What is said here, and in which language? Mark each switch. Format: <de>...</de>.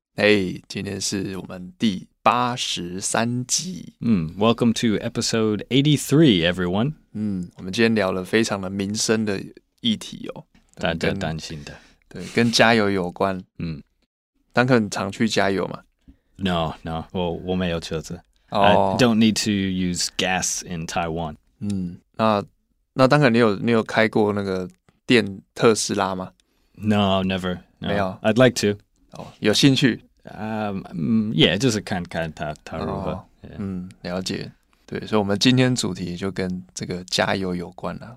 <zh>Hey， 今天是我们第83集。</zh> <en>Welcome to episode 83, everyone。</en> <zh>我们今天聊了非常的民生的议题哦，大家担心的。对，跟加油有关。 Duncan 常去加油吗？ No, 我没有车子。</zh> <en>I don't need to use gas in Taiwan.</en> <zh>那当然你有开过那个电特斯拉吗</zh> <en>？No, never.</en> <zh>没有。</zh> <en>I'd like to.</en> <zh>有兴趣。 Yeah, 就是看看它如何。了解。对，所以我们今天主题就跟这个加油有关了。</zh>